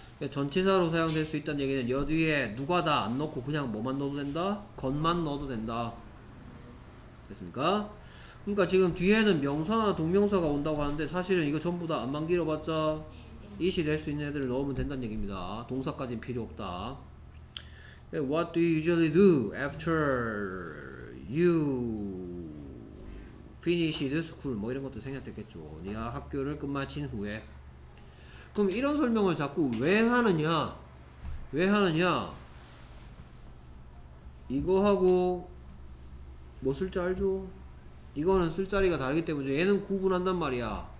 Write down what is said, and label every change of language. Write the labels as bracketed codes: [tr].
[ko] 전치사로 사용될 수 있다는 얘기는 여 뒤에 누가다 안 넣고 그냥 뭐만 넣어도 된다? 것만 넣어도 된다. 됐습니까? 그러니까 지금 뒤에는 명사나 동명사가 온다고 하는데 사실은 이거 전부 다 안만 길어봤자 it이 될 수 있는 애들을 넣으면 된다는 얘기입니다. 동사까지는 필요 없다. [en] What do you usually do after you finished school? [ko] 뭐 이런 것도 생략됐겠죠. 네가 학교를 끝마친 후에. 그럼 이런 설명을 자꾸 왜 하느냐? 왜 하느냐? 이거하고 뭐 쓸지 알죠? 이거는 쓸자리가 다르기 때문에 얘는 구분한단 말이야.